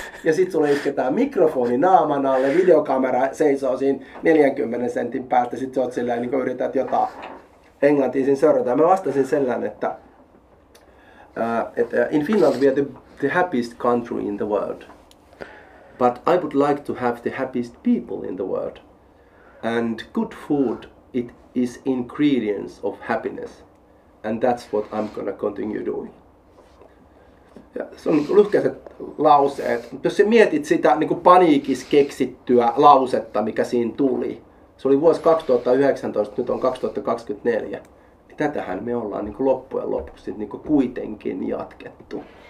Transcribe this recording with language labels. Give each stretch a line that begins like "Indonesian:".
Finnish: Ja sitten sulle isketään mikrofoni naaman alle, videokamera seisoo siinä 40 sentin päästä, sitten sä oot silleen, niin kuin yrität jotain englantia siinä sörrytään. Mä vastasin sellään, että
English: in Finland we are the happiest country in the world, but I would like to have the happiest people in the world. And good food, it is ingredients of happiness. And that's what I'm gonna continue doing.
Finnish: Ja se on lyhkäiset lauseet. Jos sä mietit sitä niin kuin paniikis keksittyä lausetta, mikä siinä tuli. Se oli vuosi 2019, nyt on 2024. Tätähän me ollaan niin kuin loppujen lopuksi niin kuin kuitenkin jatkettu.